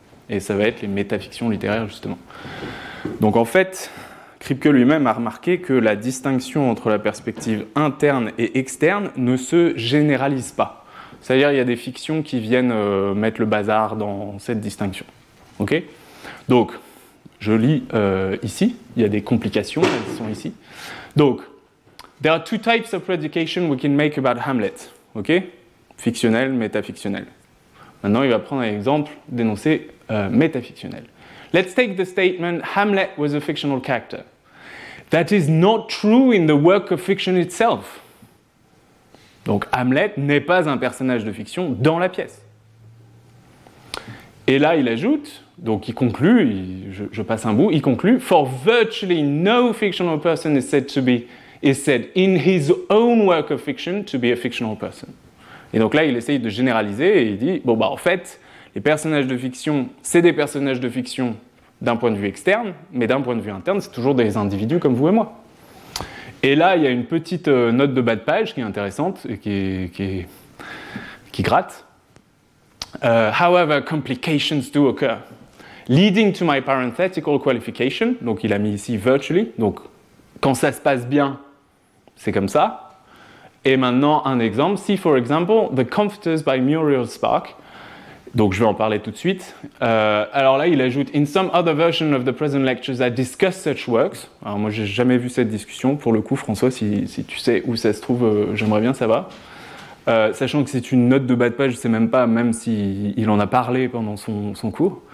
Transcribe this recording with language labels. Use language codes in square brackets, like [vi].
[fr] Et ça va être les métafictions littéraires, justement. Donc en fait, Kripke lui-même a remarqué que la distinction entre la perspective interne et externe ne se généralise pas. C'est-à-dire qu'il y a des fictions qui viennent mettre le bazar dans cette distinction. Okay ? Donc, je lis ici, il y a des complications, elles sont ici. [en] Donc, there are two types of predication we can make about Hamlet. [fr] Okay ? Fictionnel, métafictionnel. Maintenant, il va prendre un exemple d'énoncé métafictionnel. [en] Let's take the statement, Hamlet was a fictional character. That is not true in the work of fiction itself. [fr] Donc, Hamlet n'est pas un personnage de fiction dans la pièce. Et là, il ajoute, donc il conclut, [en] je passe un bout, il conclut, for virtually no fictional person is said in his own work of fiction to be a fictional person. [fr] Et donc là, il essaye de généraliser et il dit, bon, bah, en fait, les personnages de fiction, c'est des personnages de fiction d'un point de vue externe, mais d'un point de vue interne, c'est toujours des individus comme vous et moi. Et là, il y a une petite note de bas de page qui est intéressante et qui gratte. [en] However, complications do occur. Leading to my parenthetical qualification, [fr] donc il a mis ici virtually, donc quand ça se passe bien, c'est comme ça. Et maintenant, un exemple. [en] See, for example, The Comforters by Muriel Spark. [fr] Donc, je vais en parler tout de suite. Alors là, il ajoute « [en] In some other version of the present lectures, I discuss such works. [fr] » Alors moi, je n'ai jamais vu cette discussion. Pour le coup, François, si tu sais où ça se trouve, j'aimerais bien savoir. Sachant que c'est une note de bas de page, je ne sais même pas, même s'il en a parlé pendant son cours.